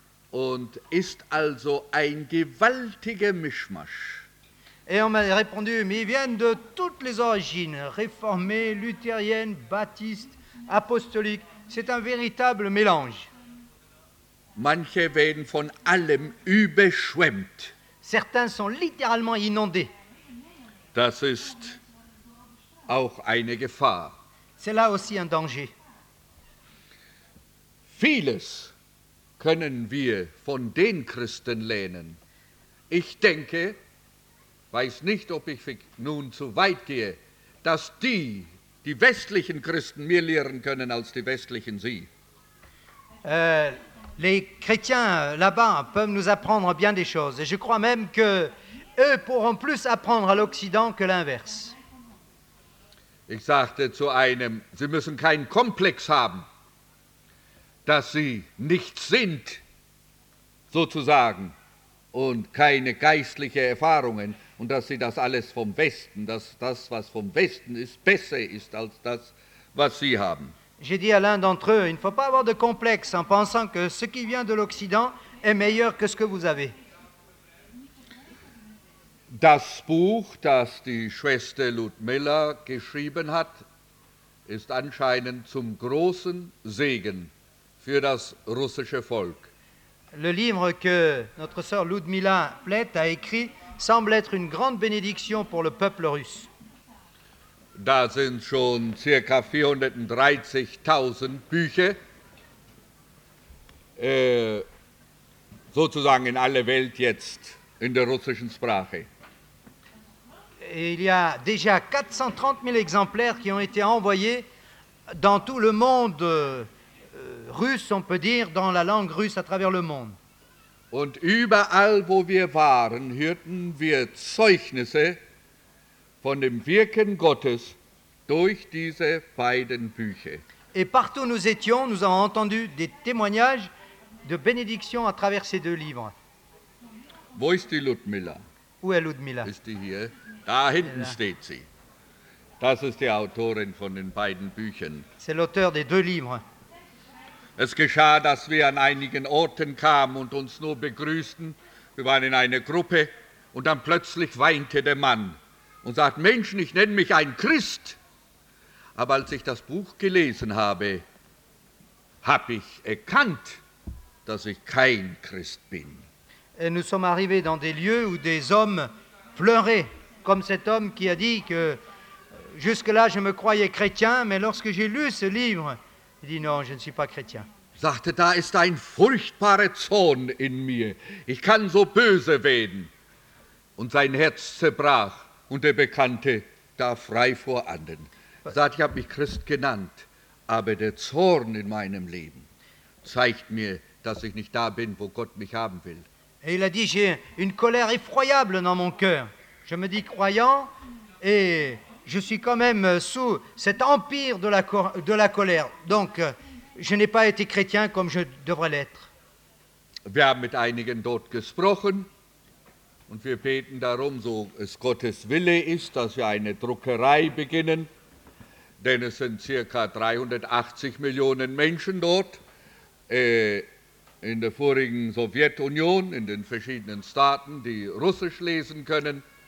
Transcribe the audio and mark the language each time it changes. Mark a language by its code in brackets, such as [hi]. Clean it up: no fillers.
[de] Und ist also ein gewaltiger Mischmasch. [fr] Et on m'a répondu, mais ils viennent de toutes les origines, réformées, luthériennes, baptistes, apostoliques. C'est un véritable mélange. [de] Manche werden von allem überschwemmt. [fr] Certains sont littéralement inondés. [de] Das ist auch eine Gefahr. [fr] C'est là aussi un danger. [de] Vieles können wir von den Christen lernen. Ich denke, weiß nicht, ob ich nun zu weit gehe, dass die westlichen Christen mehr lehren können als die westlichen sie. [fr] Les chrétiens là-bas peuvent nous apprendre bien des choses. Et je crois même que eux pourront plus apprendre à l'Occident que l'inverse. [de] Ich sagte zu einem, sie müssen keinen Komplex haben, dass sie nichts sind, sozusagen, und keine geistlichen Erfahrungen, und dass sie das alles vom Westen, dass das, was vom Westen ist, besser ist als das, was sie haben. [fr] J'ai dit à l'un d'entre eux, il ne faut pas avoir de complexe en pensant que ce qui vient de l'Occident est meilleur que ce que vous avez. [de] Das Buch, das die Schwester Ludmilla geschrieben hat, ist anscheinend zum großen Segen für das russische Volk. [fr] Le livre que notre sœur Ludmilla Plett a écrit semble être une grande bénédiction pour le peuple russe. [de] Da sind schon circa 430.000 Bücher sozusagen in alle Welt jetzt in der russischen Sprache. [fr] Il y a déjà 430.000 exemplaires qui ont été envoyés dans tout le monde russe, on peut dire, dans la langue russe à travers le monde. [de] Und überall wo wir waren, hörten wir Zeugnisse von dem Wirken Gottes durch diese beiden Bücher. [fr] Et partout nous étions, nous avons entendu des témoignages de bénédiction à travers ces deux livres. [de] Wo ist die Ludmilla? [fr] Où est Ludmilla? [de] Ist die hier? Da hinten steht sie. Das ist die Autorin von den beiden Büchern. [fr] C'est l'auteur des deux livres. [de] Es geschah, dass wir an einigen Orten kamen und uns nur begrüßten. Wir waren in einer Gruppe und dann plötzlich weinte der Mann und sagte, Menschen, ich nenne mich ein Christ. Aber als ich das Buch gelesen habe, habe ich erkannt, dass ich kein Christ bin. [fr] Et nous sommes arrivés dans des lieux où des hommes pleurer, comme cet homme qui a dit que jusque-là je me croyais chrétien, mais lorsque j'ai lu ce livre, il dit non, je ne suis pas chrétien. [de] Sagte, da ist ein furchtbarer Zorn in mir. Ich kann so böse werden. Und sein Herz zerbrach und der Bekannte da frei vor anderen. Sagt, ich habe mich Christ genannt, aber der Zorn in meinem Leben zeigt mir, dass ich nicht da bin, wo Gott mich haben will. [fr] Et il a dit, j'ai une colère effroyable dans mon cœur. Je me dis croyant et je suis quand même sous cet empire de la colère. Donc, je n'ai pas été chrétien comme je devrais l'être. [de] Wir haben mit einigen dort gesprochen und wir beten darum, so es Gottes Wille ist, dass wir eine Druckerei beginnen, denn es sind circa 380 Millionen Menschen dort. In der vorigen Sowjetunion, in den verschiedenen Staaten, die Russisch lesen können.